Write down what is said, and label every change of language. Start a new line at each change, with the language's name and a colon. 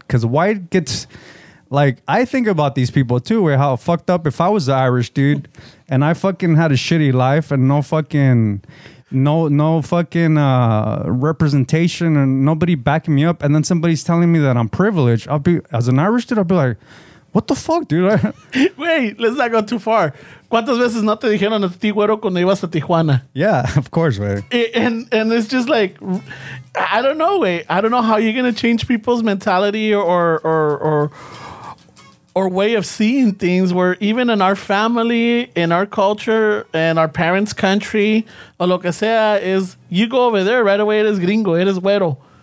English: Because white gets, like, I think about these people too, where how fucked up if I was the Irish dude and I fucking had a shitty life and no fucking representation and nobody backing me up. And then somebody's telling me that I'm privileged. I'll be, as an Irish dude, I'll be like, what the fuck, dude? Wait, let's not go too far.
Spanish: ¿Cuántas veces no te dijeron a ti, güero, cuando ibas a Tijuana?
English: Yeah, of course, güey. And it's just like, I don't know, güey. I don't know how you're going to change people's mentality or way of seeing things where even in our family, in our culture, in our parents' country, or
Spanish: lo que sea,
English: is you go over there right away,
Spanish: eres gringo, eres güero.